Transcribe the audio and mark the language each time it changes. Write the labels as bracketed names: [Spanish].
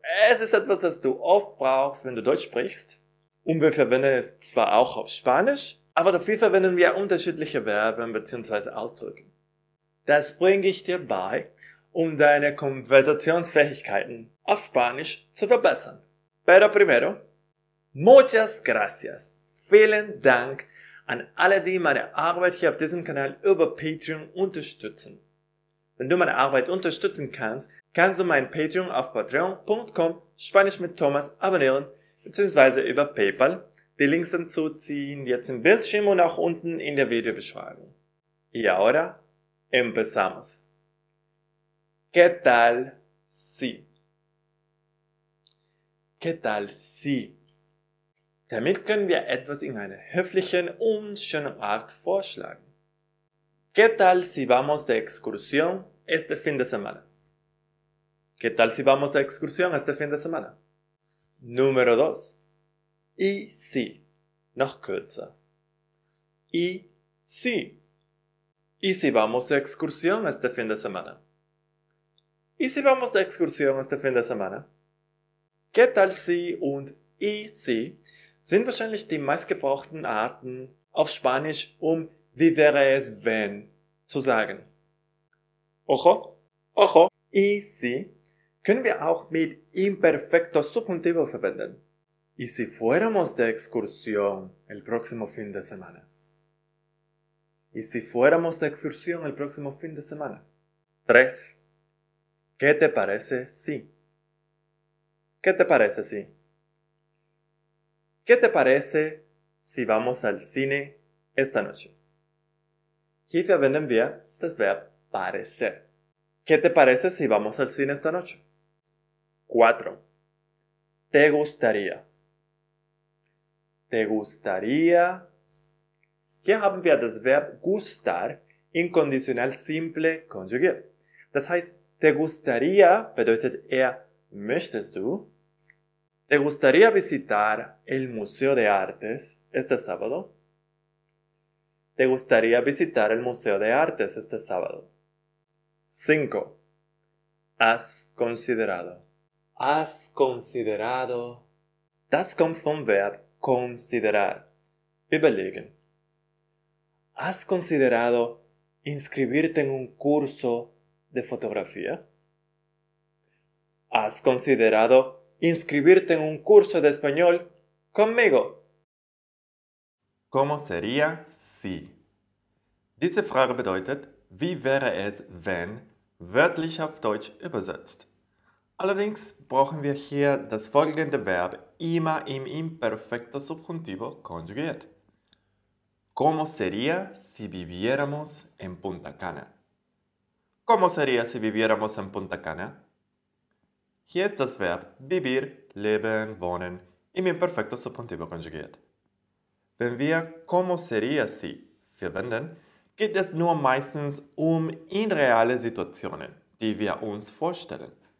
[German] Es ist etwas, das du oft brauchst, wenn du Deutsch sprichst. Und wir verwenden es zwar auch auf Spanisch, aber dafür verwenden wir unterschiedliche Verben bzw. Ausdrücke. Das bringe ich dir bei, um deine Konversationsfähigkeiten auf Spanisch zu verbessern. [Spanish] Pero primero, muchas gracias. [German] Vielen Dank an alle, die meine Arbeit hier auf diesem Kanal über Patreon unterstützen. Wenn du meine Arbeit unterstützen kannst, kannst du mein Patreon auf patreon.com Spanisch mit Thomas abonnieren bzw. über PayPal. Die Links dazu ziehen jetzt im Bildschirm und auch unten in der Videobeschreibung. [Spanish] Y ahora, empezamos. ¿Qué tal si? ¿Qué tal si? [German] Damit können wir etwas in einer höflichen und schönen Art vorschlagen. [Spanish] ¿Qué tal si vamos de excursión este fin de semana? ¿Qué tal si vamos de excursión este fin de semana? Número 2. ¿Y si? [German] Noch kürzer. [Spanish] ¿Y si? ¿Y si vamos de excursión este fin de semana? ¿Y si vamos de excursión este fin de semana? ¿Qué tal si und ¿y si? [German] Sind wahrscheinlich die meistgebrauchten Arten auf Spanisch, um wie wäre es, wenn zu sagen. [Spanish] Ojo, ojo, y si [German] können wir auch mit imperfecto subjuntivo verwenden. [Spanish] Y si fuéramos de excursión el próximo fin de semana. Y si fuéramos de excursión el próximo fin de semana. 3. ¿Qué te parece si? ¿Qué te parece si? ¿Qué te parece si vamos al cine esta noche? [German] Hier verwenden wir das Verb parecer. [Spanish] ¿Qué te parece si vamos al cine esta noche? 4. ¿Te gustaría? ¿Te gustaría? [German] Hier haben wir das Verb gustar in kondicional simple konjugiert. Das heißt, [Spanish] ¿te gustaría? [German] Bedeutet eher, ¿möchtest du? [Spanish] ¿Te gustaría visitar el Museo de Artes este sábado? ¿Te gustaría visitar el Museo de Artes este sábado? 5. ¿Has considerado? ¿Has considerado? [German] Das kommt vom Verb considerar. Überlegen. [Spanish] ¿Has considerado inscribirte en un curso de fotografía? ¿Has considerado inscribirte en un curso de español conmigo? ¿Cómo sería si? [German] Diese Frage bedeutet, wie wäre es, wenn, wörtlich auf Deutsch übersetzt. Allerdings brauchen wir hier das folgende Verb immer im imperfecto subjuntivo konjugiert. [Spanish] ¿Cómo sería si viviéramos en Punta Cana? ¿Cómo sería si viviéramos en Punta Cana? [German] Hier ist das Verb vivir, leben, wohnen, im imperfecto subjuntivo konjugiert. Wenn wir [Spanish] ¿cómo sería si? [German] Verwenden, geht es nur meistens um irreale Situationen, die wir uns vorstellen.